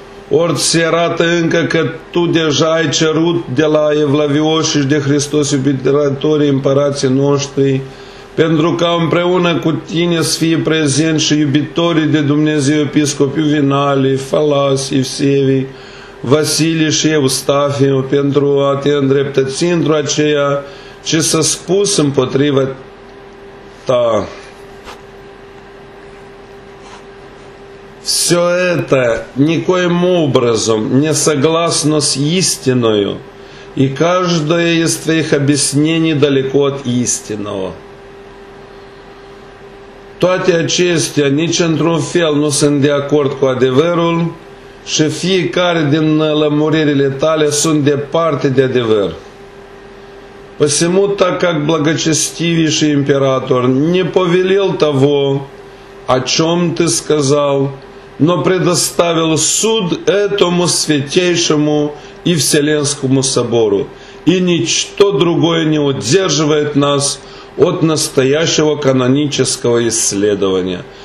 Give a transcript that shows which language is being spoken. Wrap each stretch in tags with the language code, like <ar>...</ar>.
<ro>ori ți se arată încă că tu deja ai cerut de la Evlavioși și de Hristos iubitorii împărații noștri, pentru ca împreună cu tine să fie prezent și iubitorii de Dumnezeu episcopi Ювеналий, Фаласий, Евсевий, Василий și Евстафий, pentru a te îndreptăți într-o aceea ce s-a spus împotriva ta.</ro> <ru>Все это никоим образом не согласно с истиною, и каждое из твоих объяснений далеко от истинного.</ru> <ro>Toate acestea nici într-un fel nu sunt de acord cu adevărul, și fiecare din lămuririle tale sunt departe de adevăr.</ro> <ru>Посему так как благочестивейший император не повелел того, о чем ты сказал, но предоставил суд этому святейшему и Вселенскому собору, и ничто другое не удерживает нас от настоящего канонического исследования,</ru>